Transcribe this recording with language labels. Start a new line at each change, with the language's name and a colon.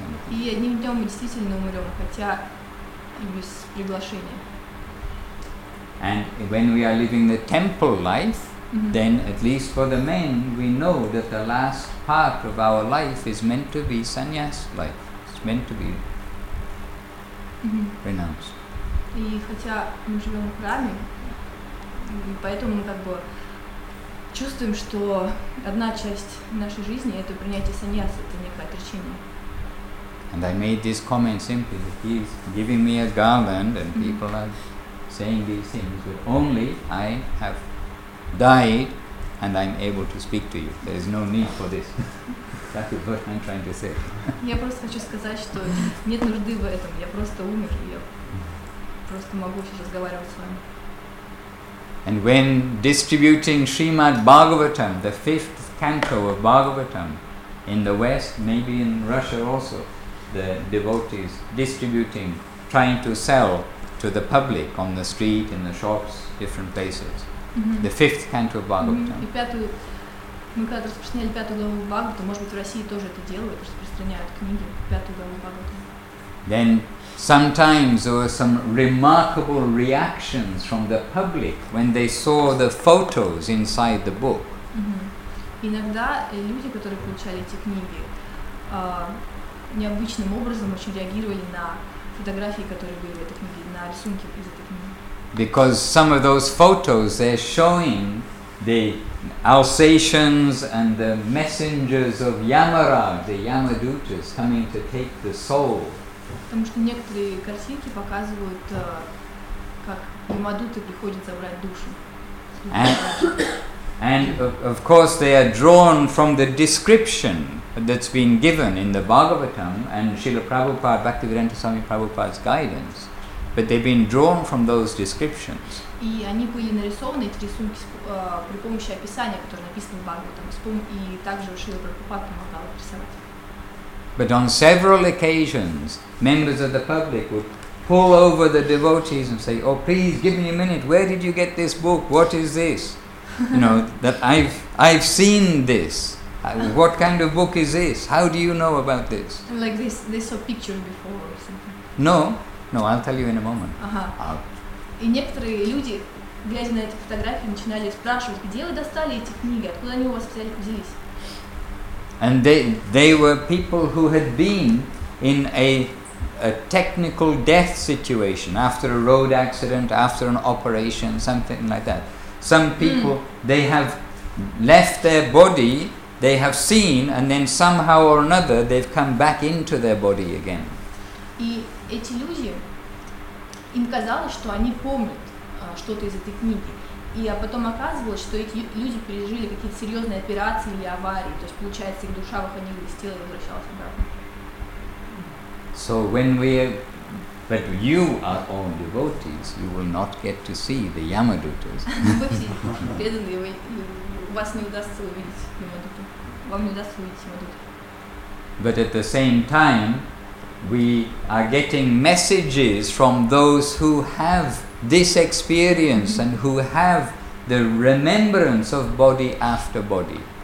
Russian: И одним днем мы действительно умрем, хотя без приглашения.
English: And when we are living the temple life, then at least for the men, we know that the last part of our life is meant to be sannyas life. It's meant to be renounced.
Russian: И хотя мы живем в храме, и поэтому мы как бы чувствуем, что одна часть нашей жизни это принятие саньяс, это некое отречение.
English: And I made this comment simply that he's giving me a garland and people are saying these things, but only I have died and I'm able to speak to you. There is no need for this. That is what I'm trying to say.
Russian: Я просто хочу сказать, что нет нужды в этом. Я просто умер, я просто могу сейчас разговаривать с вами.
English: And when distributing Srimad Bhagavatam, the fifth canto of Bhagavatam, in the West, maybe in Russia also, the devotees distributing, trying to sell to the public on the street, in the shops, different places. The fifth canto of Bhagavatam.
Russian: И пятую, мы когда распространяли пятую главу Бхагавата, может быть, в России тоже это делают, распространяют книги, пятую главу Бхагавата.
English: Then sometimes there were some remarkable reactions from the public when they saw the photos inside the book.
Russian: Иногда люди, которые получали эти книги, необычным образом очень реагировали на фотографии, которые были в этой книге, на рисунки из этой книги.
English: Because some of those photos, they're showing the Alsatians and the messengers of Yamaraj, the Yamadutas, coming to take the soul
Russian: Потому что некоторые картинки показывают, как Ямадуты приходят забрать душу.
English: And of course they are drawn from the description that's been given in the Bhagavatam and Srila Prabhupada, Bhaktivedanta Swami Prabhupada's guidance. But they've been drawn from those descriptions.
Russian: И они были нарисованы, эти рисунки, при помощи описания, которое написано в Бхагаватам, и также Шрила Прабхупада помогал рисовать.
English: But on several occasions, members of the public would pull over the devotees and say, oh please, give me a minute, where did you get this book, what is this? You know, that I've seen this. What kind of book is this? How do you know about this? Like this, they saw pictures before or something. No, I'll tell you in a moment.
Russian: И некоторые люди, глядя на эти фотографии, начинали спрашивать, где вы достали эти книги, откуда они у вас взялись?
English: And they were people who had been in a technical death situation after a road accident, after an operation, something like that. Some people, they have left their body, they have seen, and then somehow or another, they've come back into their body again.
Russian: И эти люди, им казалось, что они помнят что-то из этой книги. И потом оказывалось, что эти люди пережили какие-то серьезные операции или аварии. То есть, получается, их душа выходила из тела и возвращалась обратно.
English: So when we but you are all devotees, you will not get to see the Yamadutas. But at the same time, we are getting messages from those who have this experience and who have the remembrance of body after body.